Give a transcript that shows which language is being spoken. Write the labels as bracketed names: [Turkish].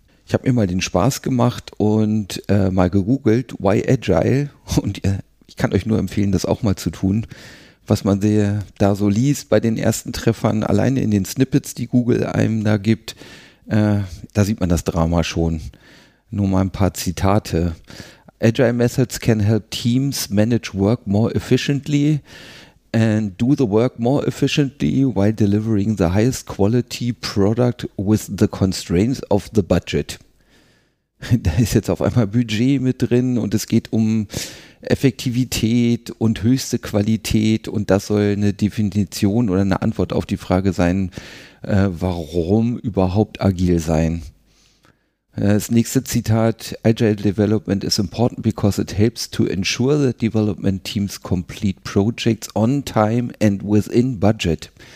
[German] Ich habe mir mal den Spaß gemacht und mal gegoogelt, [English] why agile? [German] Und ich kann euch nur empfehlen, das auch mal zu tun. Was man da so liest bei den ersten Treffern, alleine in den Snippets, die Google einem da gibt, da sieht man das Drama schon. Nur mal ein paar Zitate. [English] Agile methods can help teams manage work more efficiently and do the work more efficiently while delivering the highest quality product with the constraints of the budget. [German] Da ist jetzt auf einmal Budget mit drin und es geht um Effektivität und höchste Qualität und das soll eine Definition oder eine Antwort auf die Frage sein, warum überhaupt agil sein. Das nächste Zitat, [English] Agile Development is important because it helps to ensure that development teams complete projects on time and within budget.